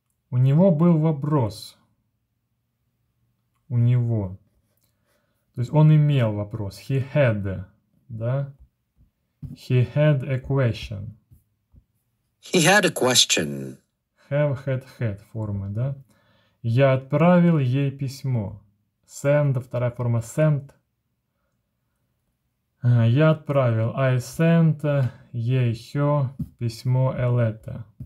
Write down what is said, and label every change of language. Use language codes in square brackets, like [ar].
[ru] У него был вопрос. У него. То есть он имел вопрос. [en] He had, [ru] да? [en] He had a question. He had a question. Have, had, had [ru] формы, да? Я отправил ей письмо. Send, вторая форма sent. Я отправил. [en] I sent [ru] ей [en] her [ru] письмо, [en] a letter.